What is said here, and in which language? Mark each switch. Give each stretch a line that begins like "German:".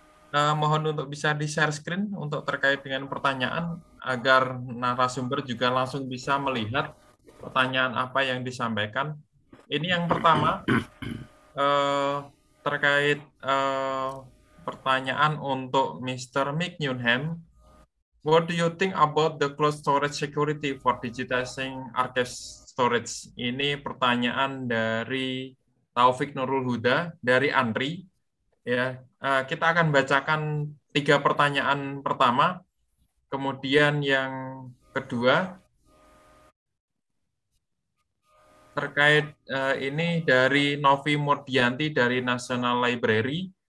Indonesian: Mohon untuk bisa di-share screen untuk terkait dengan pertanyaan, agar narasumber juga langsung bisa melihat pertanyaan apa yang disampaikan. Ini yang pertama, terkait pertanyaan untuk Mr. Mick Newham.
English: What do you think about the cloud storage security for digitizing archive storage?
Indonesian: Ini pertanyaan dari Taufik Nurul Huda dari Andri. Ya, kita akan bacakan tiga pertanyaan pertama, kemudian yang kedua terkait ini dari Novi Murdianti dari National Library.